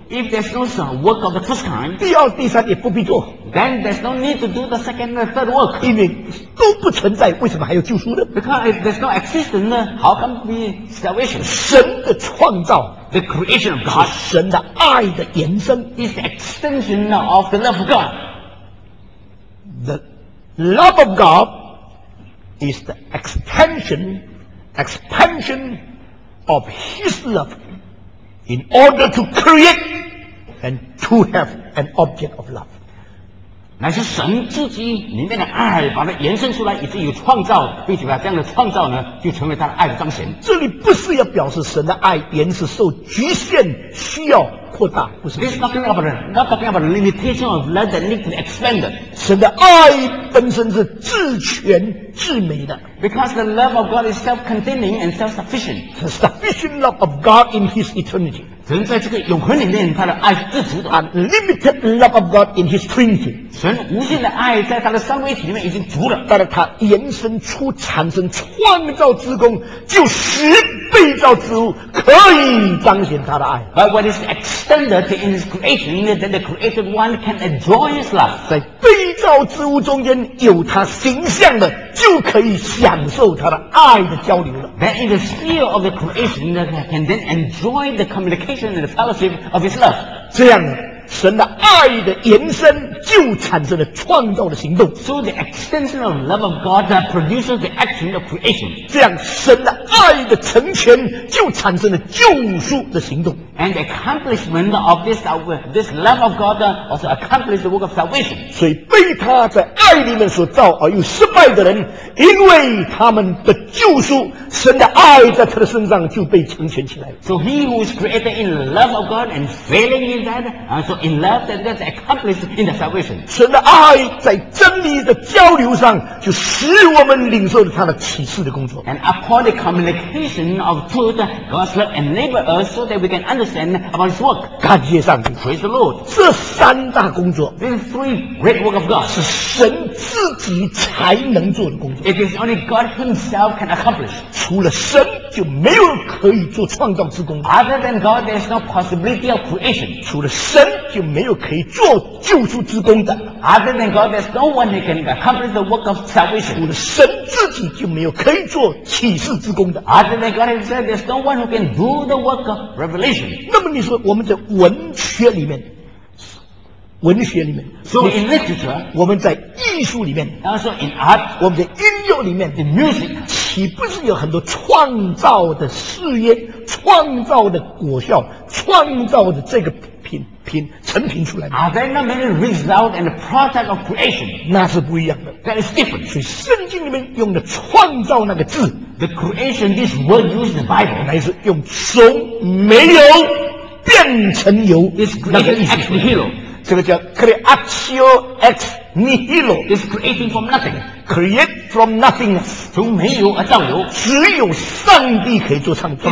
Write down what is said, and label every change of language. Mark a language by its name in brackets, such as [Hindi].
[English] if there's no work of the first kind, [Chinese] 第二第三也不必做， [English] then there's no need to do the second and third work. [Chinese] 因为都不存在，为什么还有救赎呢？ [English] Because if there's no existence, how can be salvation? [Chinese] 神的创造， [English] the creation of God, [Chinese] 是神的爱的延伸， [English] is the extension of the love of God. The love of God is the expansion of his love in order to create and to have an object of love. [Chinese] 乃是神自己里面的爱把它延伸出来，以至于创造，并且把这样的创造呢就成为他的爱的彰显。这里不是要表示神的爱延伸受局限需要扩大，不是。 [English] This is not talking about the limitation of love that needs to be expanded. [Chinese] 神的爱本身是自全自美的。 [English] Because the love of God is self-containing and self-sufficient. The sufficient love of God in his eternity. [Chinese] 神在这个永恒里面他的爱是自足的。 [English] Unlimited love of God in his trinity. [Chinese] 神无限的爱在他的三位体里面已经足了。但是他延伸出产生创造之功，就使被造之物可以彰显他的爱。 [English] But what is extended in his creation, then the created one can enjoy his love. [Chinese] 在被造之物中间有他形象的，就可以享受他的爱的交流了。 [English] That in the sphere of the creation can then enjoy the communication and the fellowship of his love. [Chinese] 这样神的爱的延伸就产生了创造的行动。 [English] So the extension of love of God that produces the action of creation. [Chinese] 这样神的爱的成全就产生了救赎的行动。 [English] And the accomplishment of this love of God also accomplished the work of salvation. [Chinese] 所以被他在爱里面所造而又失败的人，因为他们的救赎，神的爱在他的身上就被成全起来。 [English] So he who is created in the love of God and failing in that, so in love that is accomplished in the salvation. [Chinese] 神的爱在真理的交流上就使我们领受了他的启示的工作。 [English] And upon the communication of truth, God's love enables us so that we can understand about his work. [Chinese] 感谢上帝。 [English] Praise the Lord. [Chinese] 这三大工作， [English] these three great work of God, [Chinese] 是神自己才能做的工作。 [English] It is only God himself can accomplish. [Chinese] 除了神就没有可以做创造之工。 [English] Other than God, there is no possibility of creation. [Chinese] 除了神就没有可以做救赎之功的。 [English] Other than God, there's no one who can accomplish the work of salvation. [Chinese] 除了神自己就没有可以做启示之功的。 [English] Other than God, there's no one who can do the work of revelation. [Chinese] 那么你说我们在文学里面，文学里面， [English] so in literature, [Chinese] 我们在艺术里面， [English] also in art, [Chinese] 我们在音乐里面， [English] in music, [Chinese] 岂不是有很多创造的事业，创造的果效，创造的这个成品出来的？ [English] Are there not many results and the product of creation? [Chinese] 那是不一样的。 [English] That is different. [Chinese] 所以圣经里面用的创造那个字， [English] the creation, this word used in the Bible, [Chinese] 乃是用从没有变成有那个意思。 [English] It's creation ex nihilo. [Chinese] 这个叫 creatio ex nihilo. [English] It's creating from nothing. Create from nothingness. [Chinese] 从没有而造有。只有上帝可以做创造。